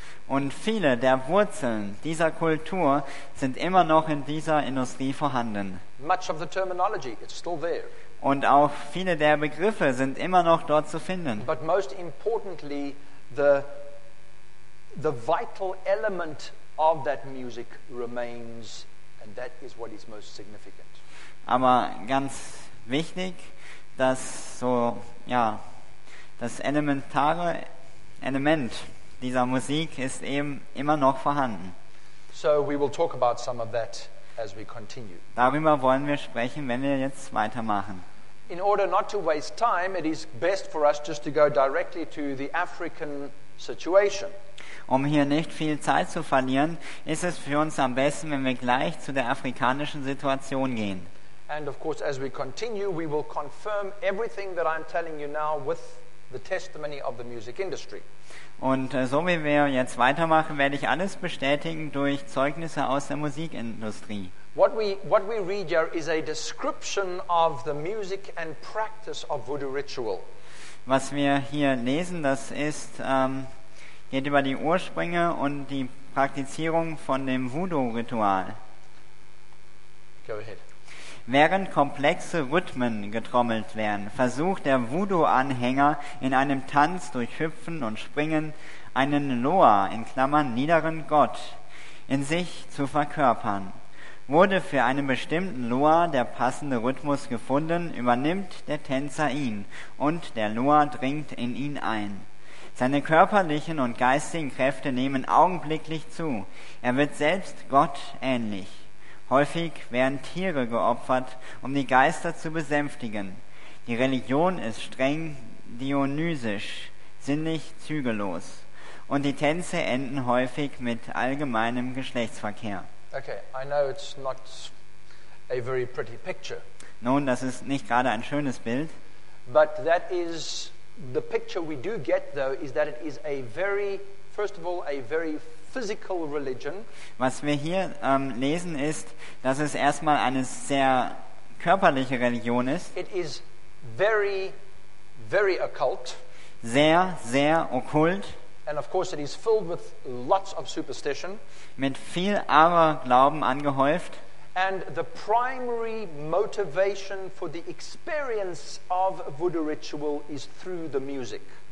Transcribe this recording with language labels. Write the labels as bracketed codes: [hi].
[de] Und viele der Wurzeln dieser Kultur sind immer noch in dieser Industrie vorhanden. [en] Much of the terminology is still there. [de] Und auch viele der Begriffe sind immer noch dort zu finden. [en] But most importantly, the vital element of that music remains, and that is what is most significant. [de] Aber ganz wichtig, dass so, ja, das elementare Element dieser Musik ist eben immer noch vorhanden. [en] So we will talk about some of that as we continue. [de] Darüber wollen wir sprechen, wenn wir jetzt weitermachen. [en] In order not to waste time, it is best for us just to go directly to the African situation. [de] Um hier nicht viel Zeit zu verlieren, ist es für uns am besten, wenn wir gleich zu der afrikanischen Situation gehen. [en] And of course, as we continue, we will confirm everything that I'm telling you now with the testimony of the music industry. [de] Und so wie wir jetzt weitermachen, werde ich alles bestätigen durch Zeugnisse aus der Musikindustrie. [en] What we read here is a description of the music and practice of voodoo ritual. [de] Was wir hier lesen, das ist geht über die Ursprünge und die Praktizierung von dem Voodoo-Ritual. [en] Go ahead. [de] Während komplexe Rhythmen getrommelt werden, versucht der Voodoo-Anhänger in einem Tanz durch Hüpfen und Springen einen Loa, in Klammern niederen Gott, in sich zu verkörpern. Wurde für einen bestimmten Loa der passende Rhythmus gefunden, übernimmt der Tänzer ihn und der Loa dringt in ihn ein. Seine körperlichen und geistigen Kräfte nehmen augenblicklich zu. Er wird selbst Gott ähnlich. Häufig werden Tiere geopfert, um die Geister zu besänftigen. Die Religion ist streng dionysisch, sinnlich zügellos. und die Tänze enden häufig mit allgemeinem Geschlechtsverkehr. [en] Okay, I know it's not a very pretty picture. [de] Nun, das ist nicht gerade ein schönes Bild. [en] But that is the picture we do get though is that it is a very, first of all, a very physical religion. [de] Was wir hier lesen ist, dass es erstmal eine sehr körperliche Religion ist. [en] It is very, very occult. [de] Sehr, sehr okkult. [en] And of course it is filled with lots of superstition. [de] Mit viel Aberglauben angehäuft. [en] And the primary motivation for the experience of voodoo ritual is through the music.